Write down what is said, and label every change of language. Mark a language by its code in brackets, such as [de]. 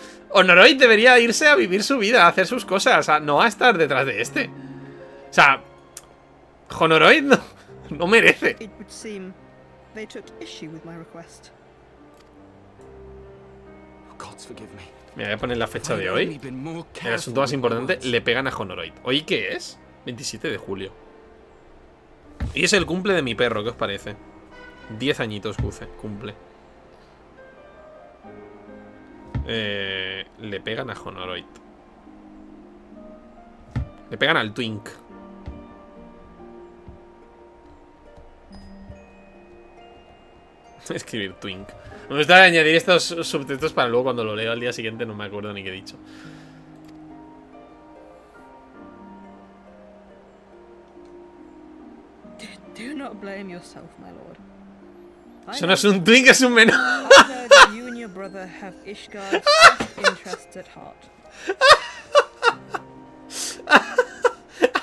[es] Honoroid debería irse a vivir su vida, a hacer sus cosas, no a estar detrás de este. O sea, Honoroid no merece. [en] It would seem they took issue with my request. Oh, gods forgive me. [es] Mira, voy a poner la fecha de hoy. El asunto más importante, le pegan a Honoroid. ¿Hoy qué es? 27 de julio. Y es el cumple de mi perro, ¿qué os parece? 10 añitos cumple. Le pegan a Honoroid. Le pegan al Twink. Escribir twink. Me gusta añadir estos subtextos para luego cuando lo leo al día siguiente no me acuerdo ni qué he dicho. [en] Do not blame yourself, my lord. [es] Eso no es un twink, es un menor. [en] You and your brother have Ishgard's interests at heart.